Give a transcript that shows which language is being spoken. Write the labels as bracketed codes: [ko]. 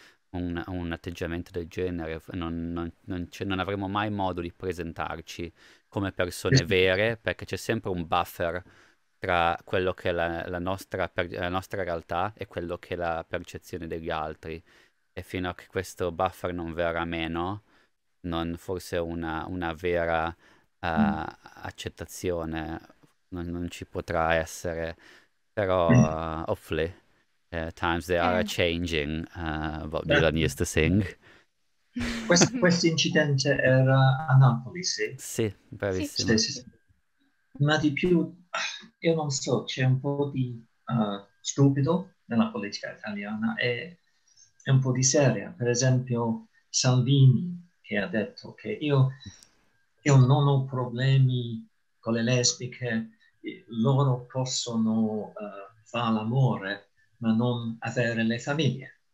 [it] un atteggiamento del genere, non avremo mai modo di presentarci come persone vere, perché c'è sempre un buffer tra quello che è la nostra realtà e quello che è la percezione degli altri. E fino a che questo buffer non verrà meno, non forse una vera accettazione non ci potrà essere, però [en] hopefully. Times they are changing, Bob Dylan used to sing. [it] Questo incidente era a Napoli, sì. Sì, bravissimo. Sì. Ma di più, io non so, c'è un po' di stupido nella politica italiana e un po' di seria. Per esempio, Salvini che ha detto che io non ho problemi con le lesbiche, loro possono fare l'amore, ma non avere le famiglie.